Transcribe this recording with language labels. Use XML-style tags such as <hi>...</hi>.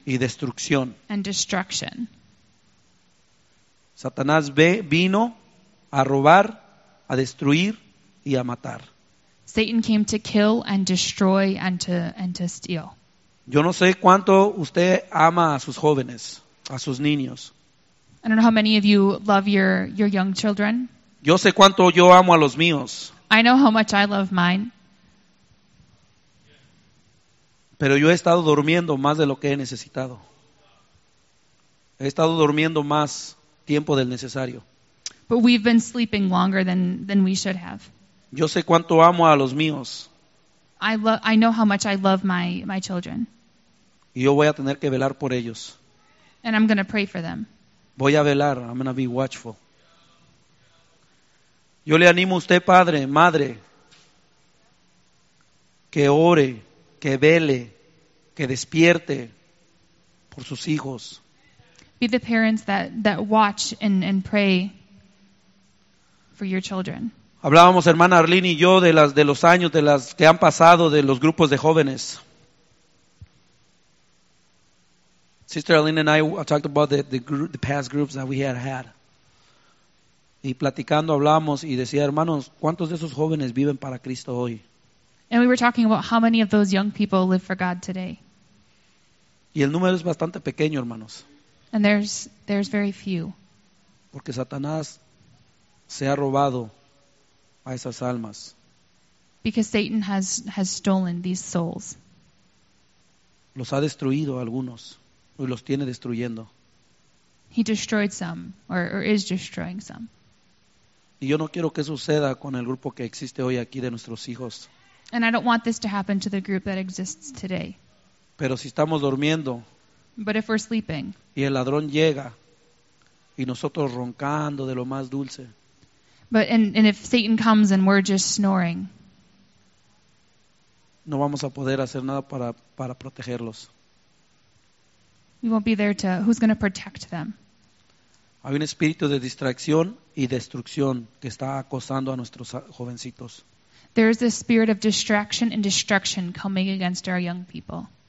<es>y destrucción.</es> <en>And destruction.</en> <es>Satanás vino a robar, a destruir y a matar.</es> <en>Satan came to kill and destroy and to steal.</en> <es>Yo no sé cuánto usted ama a sus jóvenes, a sus niños.</es> <en>I don't know how many of you love your young children.</en> <es>Yo sé cuánto yo amo a los míos.</es> <en>I know how much I love mine.</en> <es>Pero yo he estado durmiendo más de lo que he necesitado. He estado durmiendo más tiempo del necesario.</es> <en>But we've been sleeping longer than we should have.</en> <es>Yo sé cuánto amo a los míos.</es> <en>I know how much I love my children.</en> <es>Y yo voy a tener que velar por ellos.</es> <en>And I'm going to pray for them.</en> <es>Voy a velar.</es> <en>I'm going to be watchful.</en> <es>Yo le animo a usted, padre, madre, que ore, que vele, que despierte por sus hijos.</es> <en>Be the parents that watch and pray for your children.</en> <es>Hablábamos, hermana Arlene y yo, de los años, de las que han pasado, de los grupos de jóvenes.</es> <en>Sister Arlene and I talked about the past groups that we had.</en> <es>Y platicando, hablábamos y decía, hermanos, ¿cuántos de esos jóvenes viven para Cristo hoy?</es> <en>And we were talking about how many of those young people live for God today.</en> <es>Y el número es bastante pequeño, hermanos.</es> <en>And there's very few.</en> <es>Porque Satanás se ha robado a esas almas.</es> <en>Because Satan has stolen these souls.</en> <es>Los ha destruido algunos y los tiene destruyendo.</es> <en>He destroyed some or is destroying some.</en> <es>Y yo no quiero que suceda con el grupo que existe hoy aquí de nuestros hijos.</es> <en>And I don't want this to happen to the group that exists today.</en> <es>Pero si estamos durmiendo.</es> <en>But if we're sleeping.</en> <es>Y el ladrón llega. Y nosotros roncando de lo más dulce.</es> <en>But and if Satan comes and we're just snoring.</en> <es>No vamos a poder hacer nada para protegerlos.</es> <en>We won't be there to, who's going to protect them?</en> <es>Hay un espíritu de distracción y destrucción que está acosando a nuestros jovencitos.</es> <en>There is a spirit of distraction and destruction coming against our young people.</en>